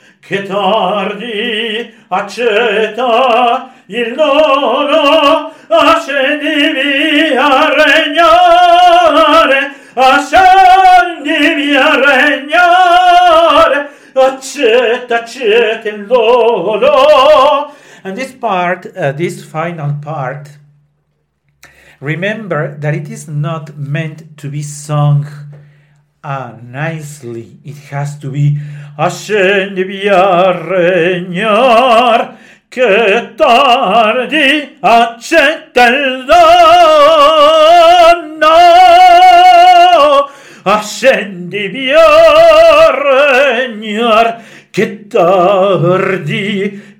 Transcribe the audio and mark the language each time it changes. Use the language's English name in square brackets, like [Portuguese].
[Italian] che tardi accetta il dono, ascendi via regnare, ascendi via regnare, accetta, accetta il dono. [English] And this part, this final part, remember that it is not meant to be sung nicely. It has to be [Italian] ascendi via regnar, che tardi accetta il dono, ascendi via regnar, che tardi.